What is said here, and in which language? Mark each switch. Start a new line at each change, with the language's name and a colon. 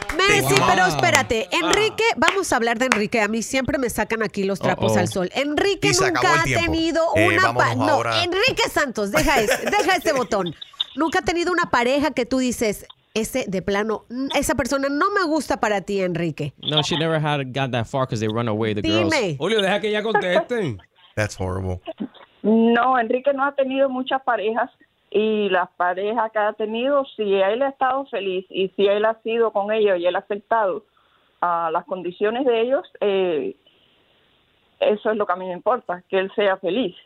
Spanish: Messi, pero espérate, Enrique, vamos a hablar de Enrique, a mí siempre me sacan aquí los trapos al sol. Enrique nunca ha tenido una Enrique Santos, deja este botón. Nunca ha tenido una pareja que tú dices, esa persona no me gusta para ti, Enrique.
English: No, she never had got that far because they run away the
Spanish: Dime.
English: Girls.
Spanish: Dime. Julio, deja que ya contesten.
English: That's horrible.
Spanish: No, Enrique no ha tenido muchas parejas y las parejas que ha tenido, si él ha estado feliz y si él ha sido con ellos y él ha aceptado las condiciones de ellos, eso es lo que a mí me importa, que él sea feliz.